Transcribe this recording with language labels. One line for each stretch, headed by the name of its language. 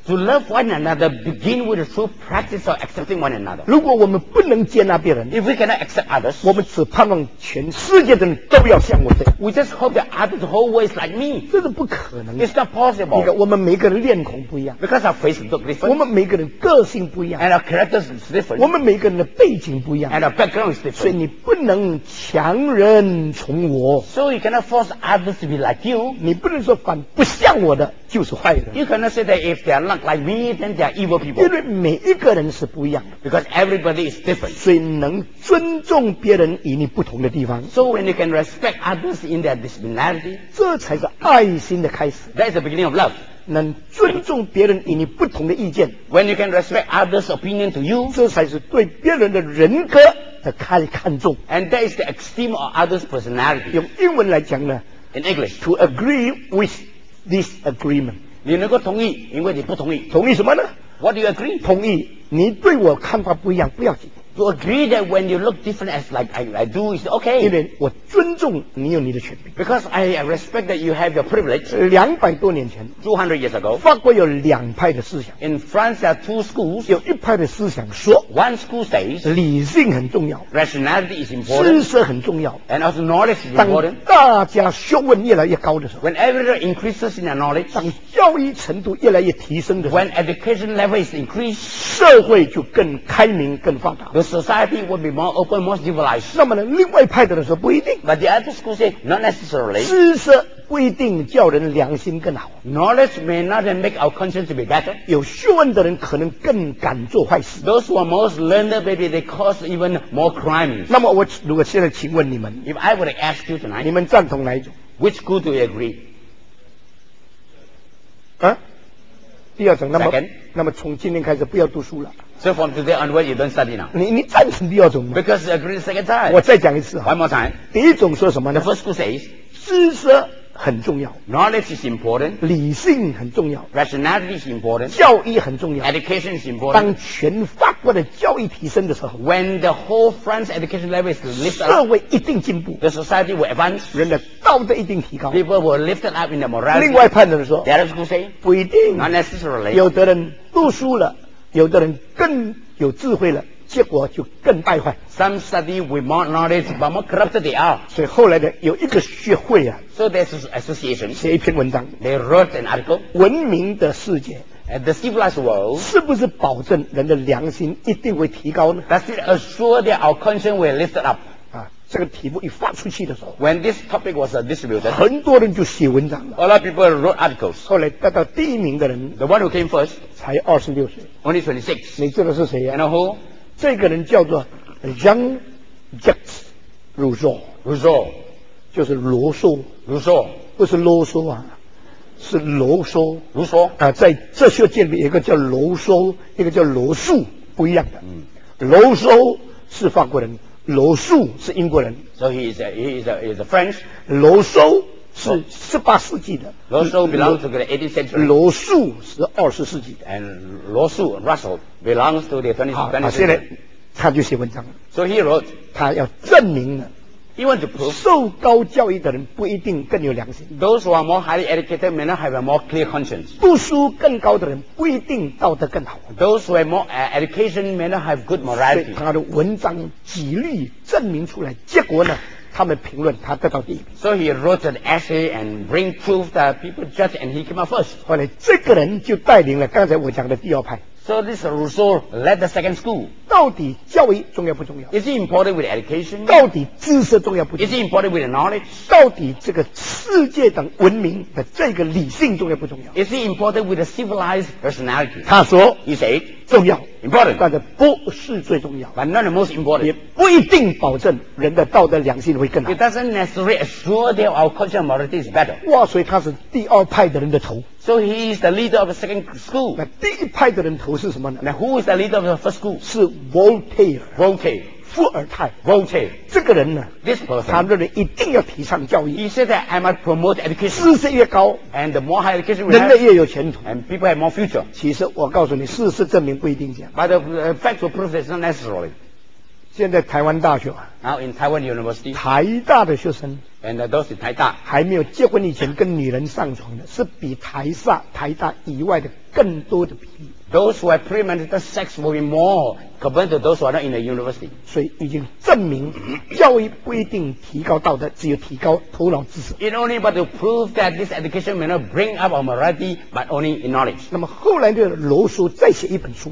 English: To love one another begin with the true practice of accepting one another.
Chinese: 如果我们不能接纳别人，
English: if we cannot accept others,
Chinese: 我们只盼望全世界的人都要像我这样。
English: Hope that others whole ways like me.
Chinese: 这是不可能的。
English: It's not possible.
Chinese: 你看，我们每个人脸孔不一样。
English: Because our faces look different.
Chinese: 我们每个人个性不一样。
English: And our characters is different.
Chinese: 我们每个人的背景不一样。
English: And our background is different.
Chinese: 所以你不能强人从我。
English: So you cannot force others to be like you.
Chinese: 你不能说反不像我的就是坏人。
English: You cannot say that if they are not like me, then they are evil people.
Chinese: 因为每一个人是不一样的。
English: Because everybody is different.
Chinese: 所以能尊重别人与你不同的地方。
English: So when you can respect others in their
Chinese: 这才是爱心的开始。
English: That is the beginning of love.
Chinese: 能尊重别人与你不同的意见。
English: When you can respect others' opinion to you.
Chinese: 这才是对别人的人格的看重。
English: And that is the esteem of others' personality.
Chinese: 用英文来讲呢，
English: In English. To agree with this agreement.
Chinese: 你能够同意，因为你不同意。同意什么呢？
English: What do you agree?
Chinese: 同意，你对我看法不一样，不要紧。
English: To agree that when you look different as like I do, it's okay.
Chinese: 因为我尊重你有你的权利。
English: Because I respect that you have your privilege.
Chinese: 200多年前
English: 200 years ago.
Chinese: 法国有两派的思想。
English: In France there are two schools.
Chinese: 有一派的思想说，
English: One school says,
Chinese: 理性很重要。
English: Rationality is important.
Chinese: 知识很重要。
English: And also knowledge is important.
Chinese: 当大家学问越来越高的时候，
English: When everyone increases in their knowledge.
Chinese: 当教育程度越来越提升的时候，
English: When education level is increased.
Chinese: 社会就更开明更发达。
English: The society will be more open, more civilized.
Chinese: 那么呢，另外派的人说不一定。
English: But the other school say not necessarily.
Chinese: 知识不一定叫人良心更好。
English: Knowledge may not make our conscience be better.
Chinese: 有学问的人可能更敢做坏事。
English: Those who are most learned, maybe they cause even more crimes.
Chinese: 那么我如果现在请问你们，
English: If I were to ask you tonight,
Chinese: 你们赞同哪一种？
English: Which school do you agree?
Chinese: 啊？第二种。那么，
English: Second?
Chinese: 那么从今天开始不要读书了。
English: So from today onward, you don't study now.
Chinese: 你赞成第二种吗
English: ？Because you agree the second time.
Chinese: 我再讲一次
English: 啊。One more time.
Chinese: 第一种说什么呢
English: ？The first school says
Chinese: 知识很重要。
English: Knowledge is important.
Chinese: 理性很重要。
English: Rationality is important.
Chinese: 教育很重要。
English: Education is important.
Chinese: 当全法国的教育提升的时候
English: ，When the whole France education level is lifted up，
Chinese: 社会一定进步。
English: The society will advance.
Chinese: 人的道德一定提高。
English: People will lifted up in the morality.
Chinese: 另外一派人说
English: ，The other school say
Chinese: 不一定。
English: Not necessarily.
Chinese: 有的人读书了。有的人更有智慧了，结果就更败坏。
English: Some study with more knowledge, but more corrupted they are.
Chinese: 所以后来的有一个学会啊
English: ，So there's association.
Chinese: 写一篇文章
English: ，They wrote an article.
Chinese: 文明的世界
English: ，And the civilized world.
Chinese: 是不是保证人的良心一定会提高呢
English: ？Does it assure that our conscience will lift up?
Chinese: 啊，这个题目一发出去的时候
English: ，When this topic was distributed,
Chinese: 很多人就写文章了。
English: A lot of people wrote articles.
Chinese: 后来得到第一名的人
English: ，The one who came first.
Chinese: 才二十六岁
English: ，Only 26。
Chinese: 你知道是谁呀、
English: 啊、？Who？
Chinese: 这个人叫做 Jean-Jacques Rousseau。
English: Rousseau
Chinese: 就是罗梭。
English: Rousseau
Chinese: 不是啰嗦啊，是罗梭。
English: Rousseau
Chinese: 啊，在哲学界里，一个叫罗梭，一个叫罗素，不一样的。嗯，罗梭是法国人，罗素是英国人。
English: So he is a French。
Chinese: 罗梭。是十八世纪的
English: 罗素 belongs to the 18th century
Chinese: 罗素是二十世纪的
English: and 罗素 Russell belongs to the 20th century
Chinese: 现在他就写文章了
English: so he wrote
Chinese: 他要证明了
English: he wants to prove
Chinese: 受高教育的人不一定更有良心
English: those who are more highly educated may not have a more clear conscience
Chinese: 读书更高的人不一定道德更好
English: those who have more education may not have good morality
Chinese: 他的文章几率证明出来结果呢他们评论他得到第一名
English: So he wrote an essay and bring proof that people judge and he came up first
Chinese: 后来这个人就带领了刚才我讲的第二派
English: So this Rousseau led the second school
Chinese: 到底教育重要不重要
English: Is it important with education
Chinese: 到底知识重要不重要
English: Is it important with knowledge
Chinese: 到底这个世界等文明的这个理性重要不重要
English: Is it important with a civilized personality
Chinese: 他说
English: He said
Chinese: 重要
English: Important.
Chinese: 但是不是最重要
English: But not the most important.
Chinese: 也不一定保证人的道德良心会更好
English: It doesn't necessarily assure that our culture and morality is better
Chinese: 哇所以他是第二派的人的头
English: So he is the leader of the second school
Chinese: 那第一派的人头是什么呢
English: Now who is the leader of the first school
Chinese: 是 Voltaire
English: Voltaire
Chinese: 伏尔泰
English: Voltaire
Chinese: 这个人呢
English: This person
Chinese: 他认为一定要提倡教育
English: He said that I must promote education
Chinese: 知识越高
English: And the more high education
Chinese: 人类越有前途
English: And people have more future
Chinese: 其实我告诉你事实证明不一定这样
English: But the factual proof is not necessarily
Chinese: 现在台湾大学
English: Now in Taiwan University
Chinese: 台大的学生
English: And those in 台大
Chinese: 还没有结婚以前跟女人上床的是比台大以外的更多的比例
English: Those who have premarital sex will be more compared to those who are not in the university
Chinese: 所以已经证明教育不一定提高道德只有提高头脑知识
English: It only but to prove that this education may not bring up our morality but only in knowledge
Chinese: 那么后来的罗梭再写一本书